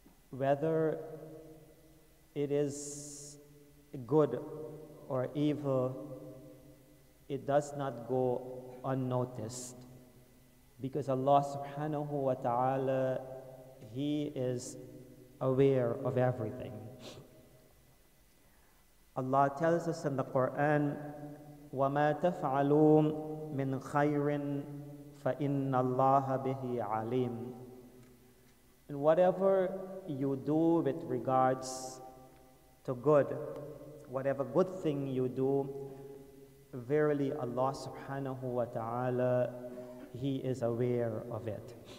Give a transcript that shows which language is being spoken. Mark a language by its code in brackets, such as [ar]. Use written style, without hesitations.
[en] whether it is good or evil, it does not go unnoticed, because Allah subhanahu wa ta'ala, He is aware of everything. Allah tells us in the Quran, [ar] وَمَا تَفْعَلُوا مِنْ خَيْرٍ فَإِنَّ اللَّهَ بِهِ عَلِيمٍ. [en] And whatever you do with regards to good, whatever good thing you do, verily Allah subhanahu wa ta'ala, He is aware of it.